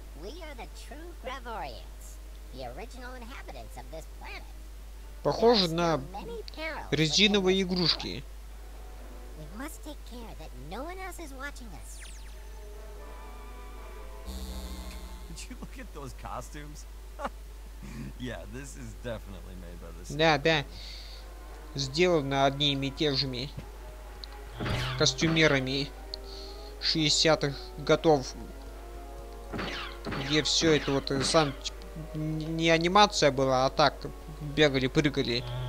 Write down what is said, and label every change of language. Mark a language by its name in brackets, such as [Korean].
[English] We are the true Gravorians, the original inhabitants of this planet. [Russian] Похоже на резиновые игрушки. [English] We must take care that no one else is watching us. Did you look at those costumes? Yeah, this is definitely made by the same. [Russian] Да, да. Сделано одними и теми костюмерами. 60-х годов, где все это вот сам не анимация была, а так бегали, прыгали.